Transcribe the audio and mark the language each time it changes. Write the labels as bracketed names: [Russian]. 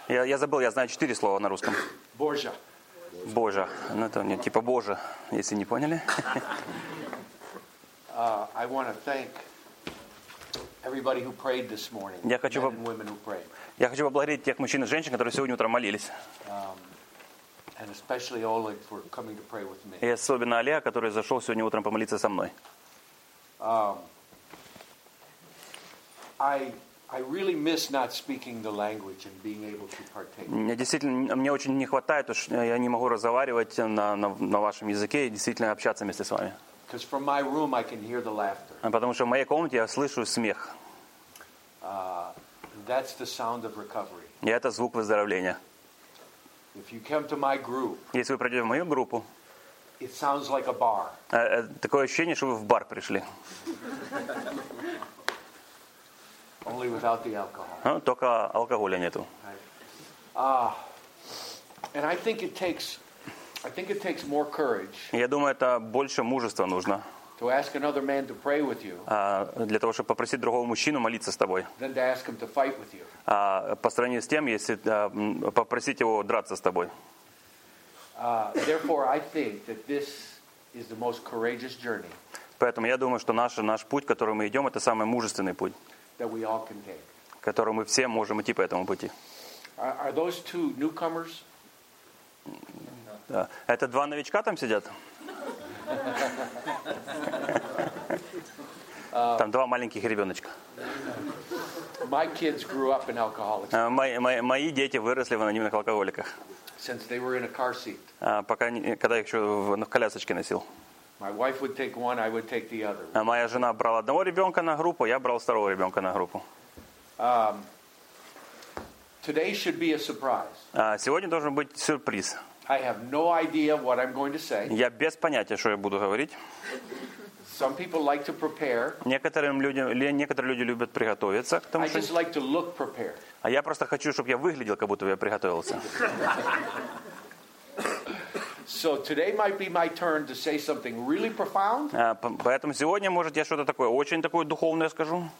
[Russian] Я забыл. Я знаю четыре слова на русском. Боже. Боже. Ну это нет, типа Боже, если не поняли. [English] I want to thank everybody who prayed this morning. [Russian] Я хочу [English] men and women who prayed. [Russian] Я хочу поблагодарить тех мужчин и женщин, которые сегодня утром молились. [English] And especially Oleg for coming to pray with me. [Russian] И особенно Олег, который зашел сегодня утром помолиться со мной. [English] I really miss not speaking the language and being able to partake. [Russian] Мне действительно, мне очень не хватает, уж я не могу разговаривать на вашем языке и действительно общаться вместе с вами. [English] Because from my room I can hear the laughter. [Russian] Потому что в моей комнате я слышу смех. [English] That's the sound of recovery. [Russian] И это звук выздоровления. [English] If you come to my group, [Russian] если вы придете в мою группу, [English] it sounds like a bar. [Russian] Такое ощущение, что вы в бар пришли. [English] Only without the alcohol. [Russian] Только алкоголя нету. [English] And I think it takes more courage. [Russian] Я думаю, это больше мужества нужно. [English] To ask another man to pray with you. [Russian] Для того, чтобы попросить другого мужчину молиться с тобой. [English] Than to ask him to fight with you. [Russian] По сравнению с тем, если попросить его драться с тобой. [English] Therefore, I think that this is the most courageous journey. [Russian] Поэтому я думаю, что наш путь, который мы идем, это самый мужественный путь. [English] That we all can take. [Russian] Который мы все можем идти по этому пути. [English] Are those two newcomers? [Russian] Да. Это два новичка там сидят? Там два маленьких ребеночка. [English] My kids grew up in alcoholics. [Russian] Мои дети выросли в анонимных алкоголиках. [English] Since they were in a car seat. [Russian] Когда я еще в колясочке носил. [English] My wife would take one, I would take the other. [Russian] Моя жена брала одного ребенка на группу, я брал второго ребенка на группу. [English] Today should be a surprise. [Russian] Сегодня должен быть сюрприз. [English] I have no idea what I'm going to say. [Russian] Я без понятия, что я буду говорить. [English] Some people like to prepare. [Russian] Некоторые люди любят приготовиться к тому, что... [English] I just like to look prepared. [Russian] А я просто хочу, чтобы я выглядел, как будто я приготовился. [English] So today might be my turn to say something really profound. [Russian] Поэтому сегодня, может, я что-то такое, очень такое духовное скажу.